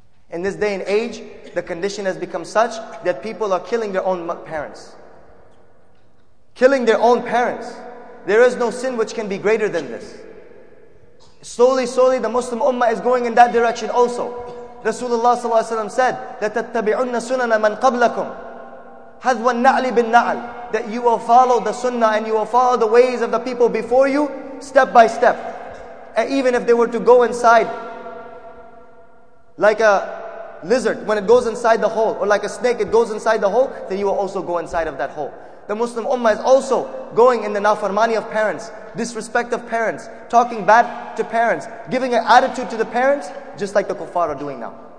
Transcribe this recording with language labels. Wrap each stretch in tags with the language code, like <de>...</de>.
<en>In this day and age, the condition has become such that people are killing their own parents. Killing their own parents. There is no sin which can be greater than this. Slowly, slowly, the Muslim ummah is going in that direction also.</en> <ar>Rasulullah sallallahu alaihi wasallam</ar> <en>said,</en> <ar>لَتَتَّبِعُنَّ سُنَنَ مَنْ قَبْلَكُمْ هَذْوَ النَّعْلِ بِالنَّعْلِ.</ar> <en>That you will follow the sunnah and you will follow the ways of the people before you, step by step. And even if they were to go inside, like a lizard, when it goes inside the hole, or like a snake, it goes inside the hole, then you will also go inside of that hole. The Muslim ummah is also going in the nafarmani of parents, disrespect of parents, talking bad to parents, giving an attitude to the parents, just like the kuffar are doing now.</en>